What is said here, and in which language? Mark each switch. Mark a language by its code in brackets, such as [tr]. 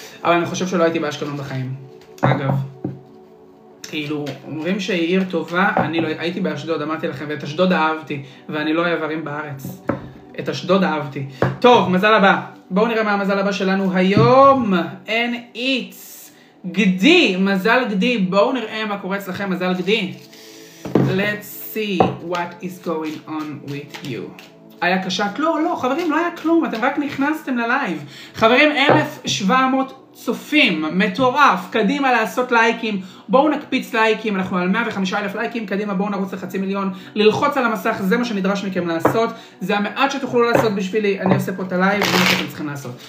[he] אבל אני חושב שלא הייתי באשקלון בחיים, אגב. כאילו, אומרים שהיא עיר טובה, אני לא, הייתי באשדוד, אמרתי לכם, ואת אשדוד אהבתי, ואני לא איברים בארץ. את אשדוד אהבתי. טוב, מזל הבא. בואו נראה מה המזל הבא שלנו היום. [en] And it's [he] גדי, מזל גדי. בואו נראה מה קורה אצלכם, מזל גדי. [en] Let's see what is going on with you. [he] היה קשה? לא, חברים, לא היה כלום, אתם רק נכנסתם ללייב. חברים, 1,700 צופים, מטורף, קדימה לעשות לייקים, בואו נקפיץ לייקים, אנחנו על 105,000 לייקים, קדימה בואו נרוץ לחצי מיליון, ללחוץ על המסך, זה מה שנדרש מכם לעשות, זה המעט שתוכלו לעשות בשבילי, אני עושה פה את הלייב, זה מה שאתם צריכים לעשות.